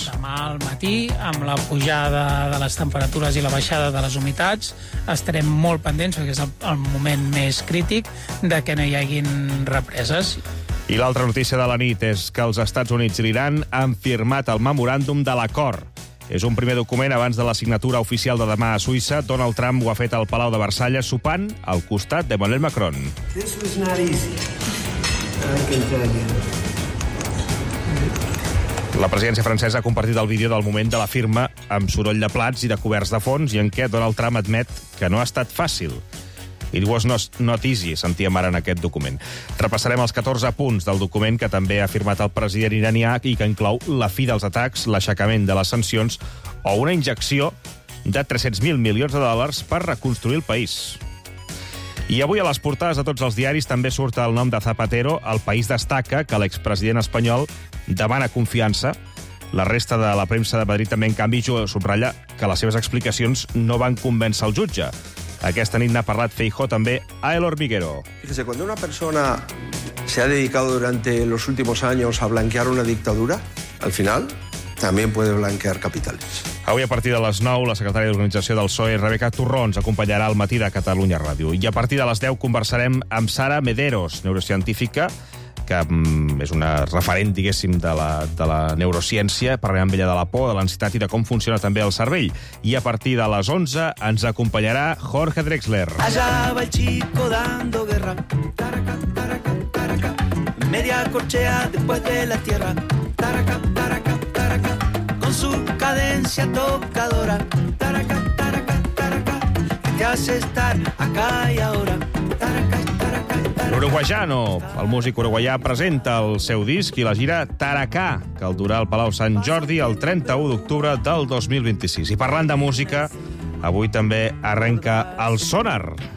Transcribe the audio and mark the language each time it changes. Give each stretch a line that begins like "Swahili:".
Catalan: Demà al matí, amb la pujada de les temperatures i la baixada de les humitats, estarem molt pendents, perquè és el moment més crític, de que no hi haguin represes. I l'altra notícia de la nit és que els Estats Units i l'Iran han firmat el memoràndum de l'acord. És un primer document abans de la signatura oficial de demà a Suïssa. Donald Trump ho ha fet al Palau de Versalles, sopant al costat d'Emmanuel Macron.
English: This was not easy. I can tell you.
Catalan: La presidència francesa ha compartit el vídeo del moment de la firma amb soroll de plats i de coberts de fons i en què Donald Trump admet que no ha estat fàcil.
English: It was not easy,
Catalan: sentíem ara en aquest document. Repassarem els 14 punts del document que també ha firmat el president iranià i que inclou la fi dels atacs, l'aixecament de les sancions o una injecció de 300.000 milions de dòlars per reconstruir el país. I avui a les portades de tots els diaris també surt el nom de Zapatero. El País destaca que l'expresident espanyol demana confiança. La resta de la premsa de Madrid també, en canvi, subratlla que les seves explicacions no van convèncer el jutge. Aquesta nit n'ha parlat Feijó també a El Hormiguero.
Spanish: Fíjese, cuando una persona se ha dedicado durante los últimos años a blanquear una dictadura, al final también puede blanquear capitales.
Catalan: Avui a partir de les 9, la secretària d'Organització del PSOE, Rebeca Turró, ens acompanyarà al matí de Catalunya Ràdio. I a partir de les 10 conversarem amb Sara Mederos, neurocientífica, que és una referent, diguéssim, de la neurociència. Parlarem amb ella de la por, de l'ansietat i de com funciona també el cervell. I a partir de les 11 ens acompanyarà Jorge Drexler.
Spanish: Allá va el chico dando guerra. Taraca, taraca, taraca. Media corchea después de la tierra. Taraca, taraca, taraca. Con su cadencia tocadora. Taraca, taraca, taraca. Te hace estar acá y ahora. Taraca,
Catalan: Uruguayano, el músic uruguaià, presenta el seu disc i la gira Taracá, que el durà al Palau Sant Jordi el 31 d'octubre del 2026. I parlant de música, avui també arrenca el Sonar.